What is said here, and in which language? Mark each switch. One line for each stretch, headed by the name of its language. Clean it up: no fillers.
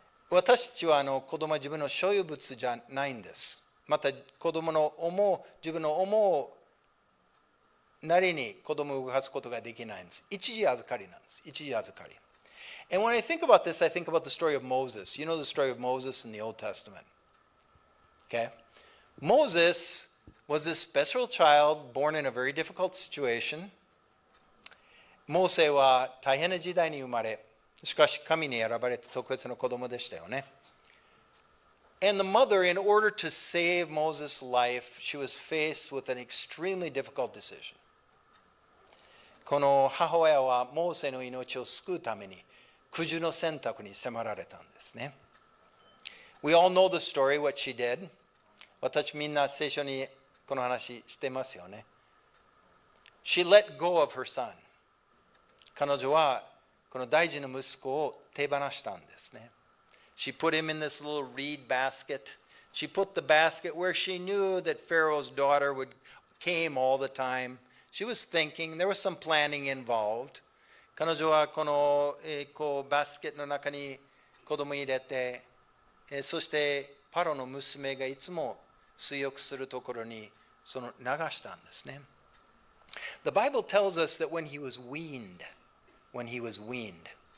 Japanese: 私たちはあの子供は自分の所有物じゃないんです。また子供の思う自分の思うなりに子供を動かすことができないんです。一時預かりなんです。一時預かり。
English: And when I think about this, I think about the story of Moses. You know the story of Moses in the Old Testament. Okay? Moses was a special child born in a very difficult situation.
Japanese: モーセは大変な時代に生まれ、しかし神に選ばれた特別な子供でしたよね。
English: And the mother, in order to save Moses' life, she was faced with an extremely difficult decision.
Japanese: この母親はモーセの命を救うために苦渋の選択に迫られたんですね。
English: We all know the story, what she did.
Japanese: 私みんな聖書にこの話してますよね。
English: She let go of her son.
Japanese: 彼女はこの大事な息子を手放したんですね。
English: She put him in this little reed basket. She put the basket where she knew that Pharaoh's daughter would came all the time. She was thinking. There was some planning involved.
Japanese: 彼女はこの、こうバスケットの中に子供を入れて、そしてパロの娘がいつも水浴するところにその流したんですね。
English: The Bible tells us that when he was weaned, when he was weaned.